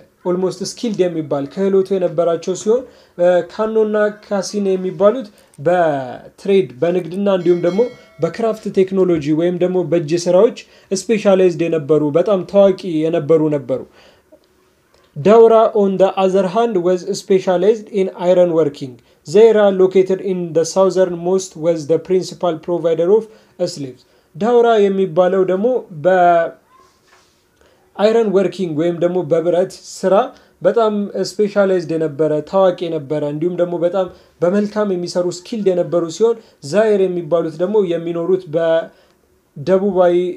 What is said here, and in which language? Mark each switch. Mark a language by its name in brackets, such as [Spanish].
[Amharic] ኦልሞስት ስኪልድ የሚባል ክህሎት የነበራቸው ሲሆን ካኖና ካሲኔ የሚባሉት በትሬድ በንግድና እንዲሁም ደግሞ በክራፍት ቴክኖሎጂ ወይም ደግሞ በእጅ ስራዎች ስፔሻላይዝድ የነበሩ በጣም ታዋቂ የነበሩ ነበሩ [English] Daura on the other hand was specialized in iron working. Zaira located in the southernmost was the principal provider of slaves. [Amharic] Daura የሚባለው ደግሞ በ iron working ወይም ደግሞ በብረት ስራ በጣም specialized የነበረ ታዋቂ የነበረ እንዲሁም ደግሞ በጣም በመልካም የሚሰሩ skilled የነበሩ ሲሆን Zaira የሚባሉት ደግሞ የሚኖሩት በደቡባዊ